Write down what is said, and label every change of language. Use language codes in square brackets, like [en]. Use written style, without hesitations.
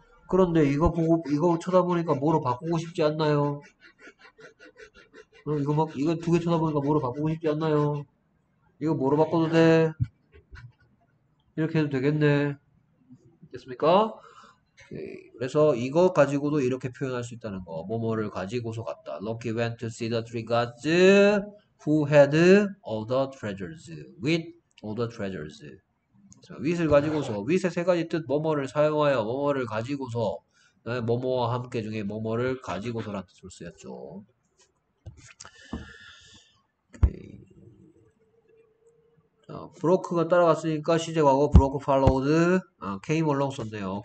[ko] 그런데 이거 보고 이거 쳐다보니까 뭐로 바꾸고 싶지 않나요? 이거 막 이거 두개 쳐다보니까 뭐로 바꾸고 싶지 않나요? 이거 뭐로 바꿔도 돼? 이렇게 해도 되겠네. 됐습니까? 오케이. 그래서 이거 가지고도 이렇게 표현할 수 있다는 거. 뭐뭐를 가지고서 갔다. [en] Loki went to see the three gods who had all the treasures. With all the treasures. [ko] With을 가지고서, with의 세 가지 뜻, 뭐뭐를 사용하여, 뭐뭐를 가지고서, 뭐뭐와 함께 중에 뭐뭐를 가지고서라는 뜻으로 쓰였죠. 브로크가 따라갔으니까 시제 과거 브로크 팔로우드 [en] came along [ko] 썼네요.